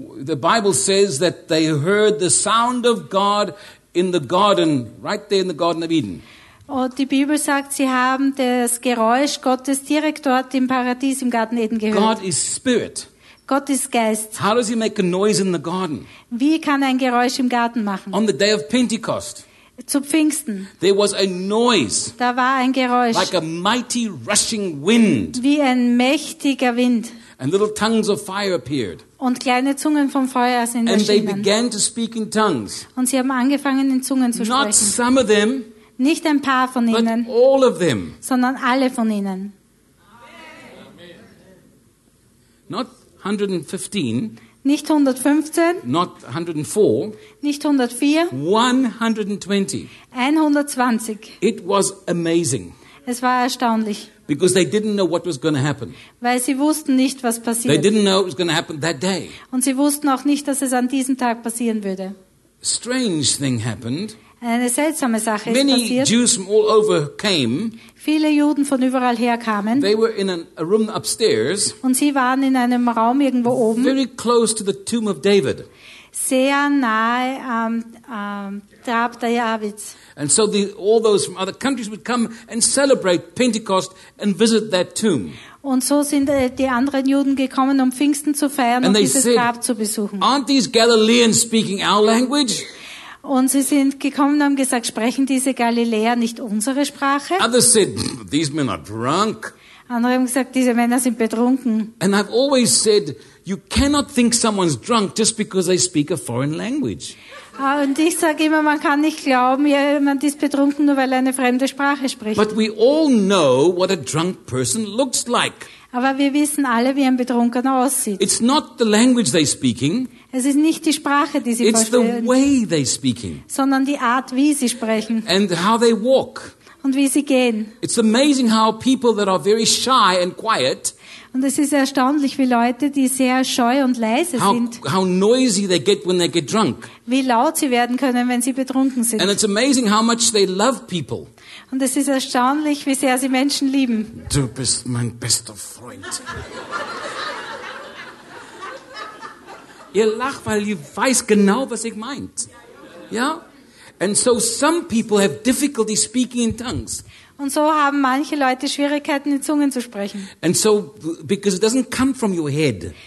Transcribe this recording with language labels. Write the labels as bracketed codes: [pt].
[en] The Bible says that they heard the sound of God in the garden, right there in the Garden of Eden. [de] Und die Bibel sagt, sie haben das Geräusch Gottes direkt dort im Paradies im Garten Eden gehört. [en] God is spirit. [de] Gott ist Geist. [en] How does he make a noise in the garden? [de] Wie kann ein Geräusch im Garten machen? [en] On the day of Pentecost. [de] Zu Pfingsten. [en] There was a noise. [de] Da war ein Geräusch. [en] Like a mighty rushing wind. [de] Wie ein mächtiger Wind. [en] And little tongues of fire appeared. [de] Und kleine Zungen vom Feuer sind erschienen. [en] And they began to speak in tongues. [de] Und sie haben angefangen in Zungen zu sprechen. [en] Not some of them. [de] Nicht ein paar von [en] but [de] ihnen. [en] All of them. [de] Sondern alle von ihnen. [en] Amen. Not 115. [de] Nicht 115. [en] Not 104. [de] Nicht 104. 120. 120. [en] It was amazing. [de] Es war erstaunlich. [en] Because they didn't know what was going to happen. [de] Weil sie wussten nicht, was passiert. [en] They didn't know it was going to happen that day. [de] Und sie wussten auch nicht, dass es an diesem Tag passieren würde. [en] Strange thing happened. [de] Eine seltsame Sache [en] Many [de] ist passiert. [en] Jews from all over came. [de] Viele Juden von überall her kamen. [en] They were in a room upstairs. [de] Und sie waren in einem Raum irgendwo oben. [en] Very close to the tomb of David. [de] Sehr nahe am Grab der Davids. [en] And so all those from other countries would come and celebrate Pentecost and visit that tomb. [de] Und so sind die anderen Juden gekommen, um Pfingsten zu feiern und dieses Grab zu besuchen. [en] Aren't these Galileans speaking our language? [de] Und sie sind gekommen und haben gesagt, sprechen diese Galiläer nicht unsere Sprache? [en] Others said, these men are drunk. [de] Andere haben gesagt, diese Männer sind betrunken. [en] And I've always said, you cannot think someone's drunk just because they speak a foreign language. [de] Und ich sage immer, man kann nicht glauben, jemand ist betrunken, nur weil er eine fremde Sprache spricht. [en] But we all know what a drunk person looks like. [de] Aber wir wissen alle, wie ein Betrunkener aussieht. [en] It's not the language they're speaking. [de] Es ist nicht die Sprache, die sie [en] It's [de] sprechen, [en] the way they're speaking. [de] Sondern die Art, wie sie sprechen. [en] And how they walk. [de] Und wie sie gehen. [en] It's amazing how people that are very shy and quiet. [de] Und es ist erstaunlich, wie Leute, die sehr scheu und leise sind. [en] How noisy they get when they get drunk. [de] Wie laut sie werden können, wenn sie betrunken sind. [en] And it's amazing how much they love people. [de] Und es ist erstaunlich, wie sehr sie Menschen lieben. Du bist mein bester Freund. Ihr lacht, weil ihr weiß genau, was ich meint. Ja? [en] And so some people have difficulty speaking in tongues. [de] Und so haben manche Leute Schwierigkeiten, in Zungen zu sprechen. [en] And so, because it doesn't come from your head.